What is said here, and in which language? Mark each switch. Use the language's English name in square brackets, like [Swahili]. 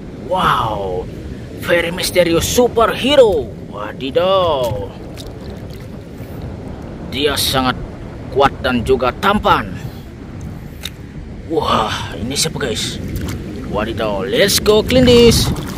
[English] Wow, very mysterious superhero. Wadidaw. [Indonesian] Dia sangat kuat dan juga tampan. Wah, ini siapa guys? [English] Wadidaw, let's go clean this.